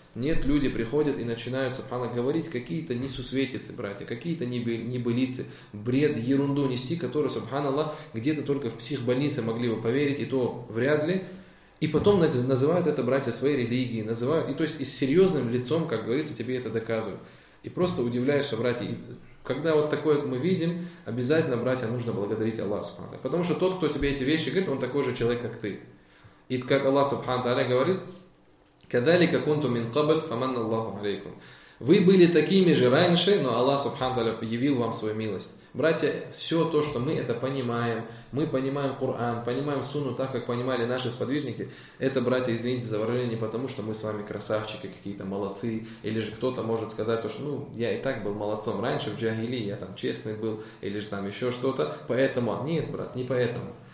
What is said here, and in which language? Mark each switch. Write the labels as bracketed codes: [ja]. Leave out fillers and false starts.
[ru] Нет, люди приходят и начинают, субханаллах, говорить какие-то несусветицы, братья, какие-то небылицы, бред, ерунду нести, которую, субханаллах, где-то только в психбольнице могли бы поверить, и то вряд ли. И потом называют это, братья, своей религией, называют, и то есть и с серьезным лицом, как говорится, тебе это доказывают. И просто удивляешься, братья, когда вот такое мы видим, обязательно, братья, нужно благодарить Аллаха, субханаллах. Потому что тот, кто тебе эти вещи говорит, он такой же человек, как ты. И как Аллах, субханаллах, говорит, [ar] كَذَلِكَ كُنْتُ مِنْ قَبْلْ فَمَنَّ اللَّهُ عَلَيْكُمْ. [ru] Вы были такими же раньше, но Аллах Субхану Тааля явил вам свою милость. Братья, все то, что мы это понимаем, мы понимаем Коран, понимаем Сунну так, как понимали наши сподвижники, это, братья, извините за выражение, потому что мы с вами красавчики какие-то, молодцы, или же кто-то может сказать, то, что ну, я и так был молодцом раньше в джагили, я там честный был, или же там еще что-то, поэтому, нет, брат, не поэтому.